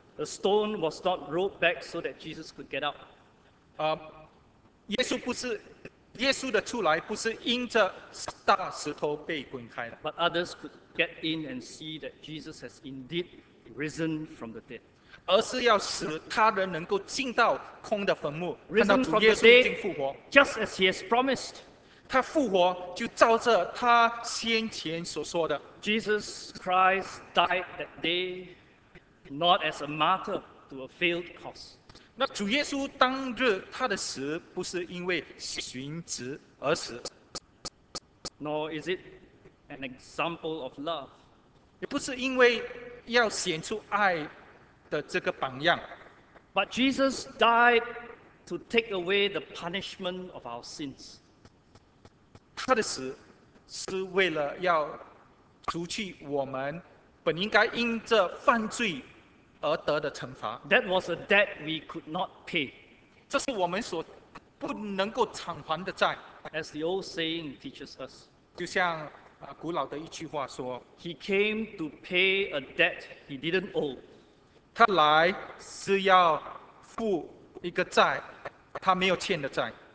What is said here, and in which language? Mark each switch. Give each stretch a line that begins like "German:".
English: The stone was not rolled back so that Jesus could get out.
Chinese: 耶稣不是。耶稣的出来不是因着大石头被滚开的。
English: But others could get in and see that Jesus has indeed risen from the dead.
Chinese: 而是要使他人能够进到空的坟墓，看到主耶稣已经复活。
English: Just as he has promised.
Chinese: 他复活就照着他先前所说的。
English: Jesus Christ died that day not as a martyr to a failed cause.
Chinese: 那主耶稣当日他的死不是因为殉职而死，
English: nor is it an example of love，
Chinese: 也不是因为要显出爱的这个榜样，
English: but Jesus died to take away the punishment of our sins，
Chinese: 他的死是为了要除去我们本应该因着犯罪而得的惩罚。
English: That was a debt we could not pay.
Chinese: 这是我们所不能够偿还的债。
English: As the old saying teaches us.
Chinese: 就像古老的一句话说。
English: He came to pay a debt he didn't owe.
Chinese: 他来是要付一个债，他没有欠的债。